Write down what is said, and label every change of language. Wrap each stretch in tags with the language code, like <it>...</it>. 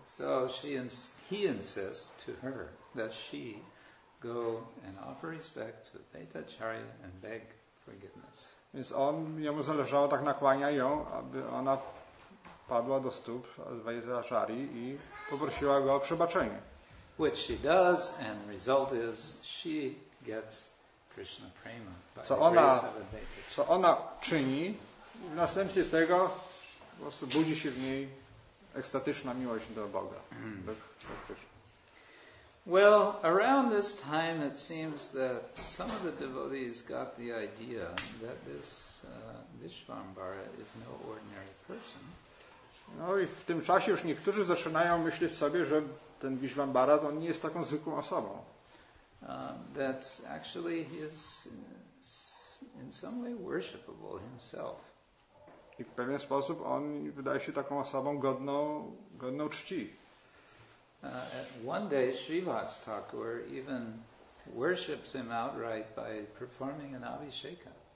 <en>So he insists to her that she go and offer respect to Advaita Acharya and beg forgiveness.</en> <pl>Więc on, jemu zależało, tak nakłania ją, aby ona padła do stóp Advaita Acharyi i poprosiła go o przebaczenie.</pl> <en>Which she does, and result is she gets Krishna prema.</en> <pl>Co ona czyni, w następstwie z tego po prostu budzi się w niej ekstatyczna miłość do Boga, do Krishna.</pl> <en>Well, around this time it seems that some of the devotees got the idea that this Vishvambara is no ordinary person.</en> <pl>No i w tym czasie już niektórzy zaczynają myśleć sobie, że ten Vishvambara to on nie jest taką zwykłą osobą.</pl> <en>That actually he is in some way worshipable himself.</en> <pl>I w pewien sposób on wydaje się taką osobą godną czci.</pl> <en>One day Srivas Thakur even worships him outright by performing an abhisheka.</en>